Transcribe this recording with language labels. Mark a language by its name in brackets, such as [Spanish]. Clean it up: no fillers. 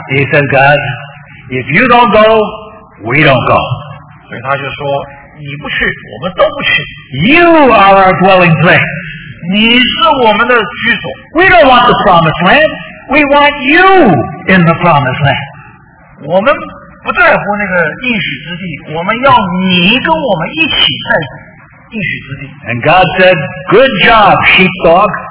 [English] He said, "God, if you don't go, we don't go." [Chinese] 所以他就说，你不去，我们都不去。 [English] You are our dwelling place. [Chinese] 你是我们的居所。 [English] We don't want the promised land. We want you in the promised land. [Chinese] 我们不在乎那个应许之地，我们要你跟我们一起在应许之地。 [English] And God said, "Good job, sheepdog.